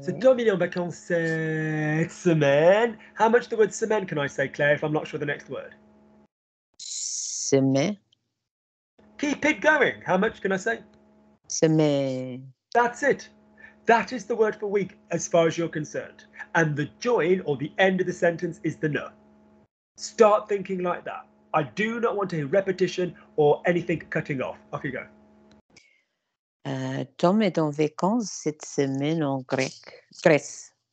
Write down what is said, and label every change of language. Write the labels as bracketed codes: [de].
[fr] So, Tom il est en vacances cette semaine. [en] How much of the word semaine can I say, Claire, if I'm not sure of the next word? [fr] Semaine. [en] Keep it going. How much can I say? [fr] Semaine. [en] That's it. That is the word for week, as far as you're concerned. And the join, or the end of the sentence, is the ne. Start thinking like that. I do not want any repetition or anything cutting off. Off you go. [fr] Tom est en vacances cette semaine en Grèce.